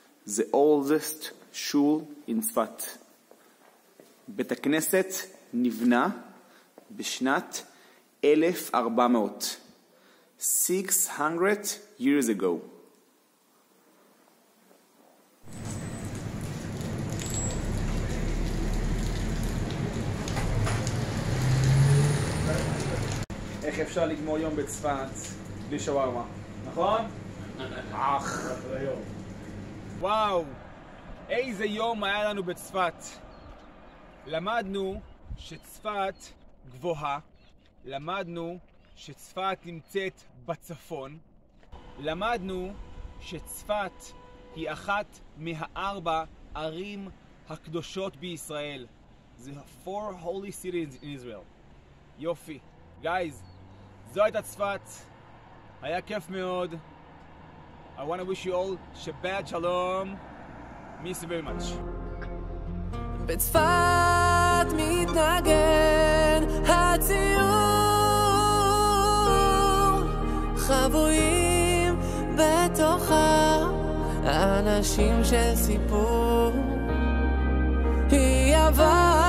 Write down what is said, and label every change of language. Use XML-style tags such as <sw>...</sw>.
<en>the oldest shul in Tzfat.</en> <he>בית הכנסת נבנה בשנת 1400,</he> <en>600 years ago.</en> <he>איך אפשר לגמור יום בצפת בלי שווארמה, נכון? אך וואו, איזה יום היה לנו בצפת. למדנו שצפת גבוהה, למדנו שצפת נמצאת בצפון, למדנו שצפת היא אחת מהארבע ערים הקדושות בישראל.</he> <en>The four holy cities in Israel.</en> <he>יופי. Guys, זו הייתה צפת. היה כיף מאוד.</he> <en>I want to wish you all</en> <he>שבת שלום.</he> <en>Miss you very much.</en> <he>בצפת מתנגן הציור, חבויים בתוכה אנשים של סיפור. היא עבר</he>